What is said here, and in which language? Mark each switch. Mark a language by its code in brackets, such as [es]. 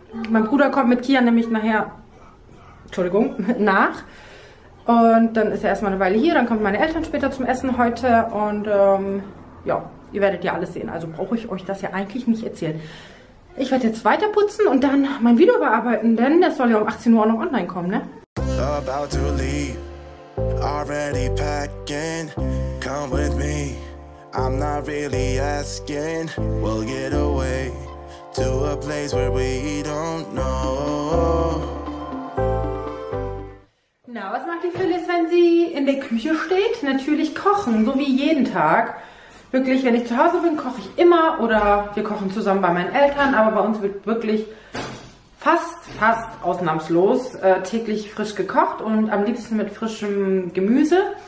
[de] Mein Bruder kommt mit Kian nämlich nachher, Entschuldigung, nach. Und dann ist er erstmal eine Weile hier. Dann kommen meine Eltern später zum Essen heute. Und ja, ihr werdet ja alles sehen. Also brauche ich euch das ja eigentlich nicht erzählen. Ich werde jetzt weiter putzen und dann mein Video bearbeiten. Denn das soll ja um 18 Uhr auch noch online kommen, ne? [en] About to leave, already packing, come with me. I'm not really asking, we'll get away. To a place where we don't know. [de] Na, was macht die Phyllis, wenn sie in der Küche steht? Natürlich kochen, so wie jeden Tag. Wirklich, wenn ich zu Hause bin, koche ich immer oder wir kochen zusammen bei meinen Eltern. Aber bei uns wird wirklich fast ausnahmslos täglich frisch gekocht und am liebsten mit frischem Gemüse.